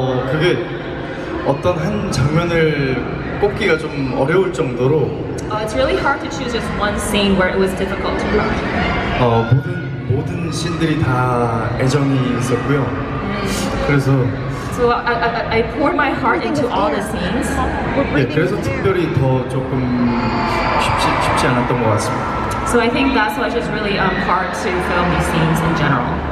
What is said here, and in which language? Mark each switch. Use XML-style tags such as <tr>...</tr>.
<ko>그게 어떤 한 장면을 꼽기가 좀 어려울 정도로.</ko> <en>It's really hard to choose just one scene where it was difficult to cry.</en> <ko>모든 신들이 다 애정이 있었고요. 그래서.</ko> <en>So I poured my heart into all the scenes.</en> <ko>네, 그래서 특별히 더 조금 쉽지 않았던 것 같습니다.</ko> <en>So I think that's why it's just really hard to film these scenes in general.</en>